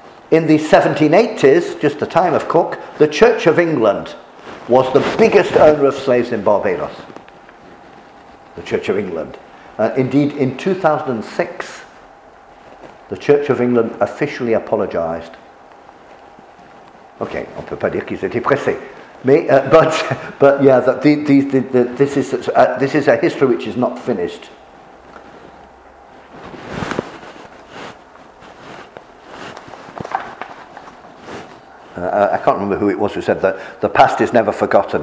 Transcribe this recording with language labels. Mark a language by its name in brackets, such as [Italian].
[English] In the 1780s, just the time of Cook, the Church of England was the biggest owner of slaves in Barbados. The Church of England. Indeed, in 2006, the Church of England officially apologised. [French] Okay, on peut pas dire qu'ils étaient pressés. [English] This is a history which is not finished. I can't remember who it was who said that the past is never forgotten.